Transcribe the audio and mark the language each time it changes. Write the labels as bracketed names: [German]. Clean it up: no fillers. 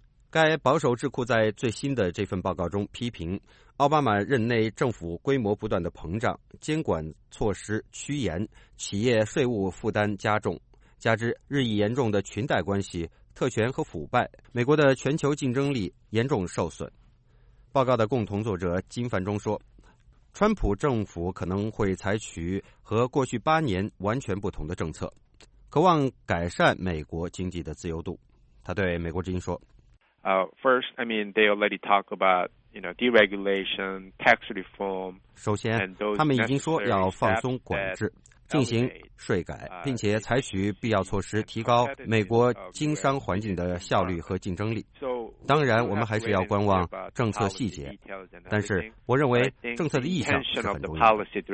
[Chinese] 该保守智库在最新的这份报告中批评奥巴马任内政府规模不断的膨胀，监管措施趋严，企业税务负担加重，加之日益严重的裙带关系、特权和腐败，美国的全球竞争力严重受损。报告的共同作者金凡中说，川普政府可能会采取和过去八年完全不同的政策，渴望改善美国经济的自由度。他对美国之音说 [English] First, I mean, they already talk about, you know, deregulation, tax reform. [Chinese] 首先，他们已经说要放松管制，进行税改，并且采取必要措施提高美国经商环境的效率和竞争力。当然，我们还是要观望政策细节，但是我认为政策的意向是很重要的。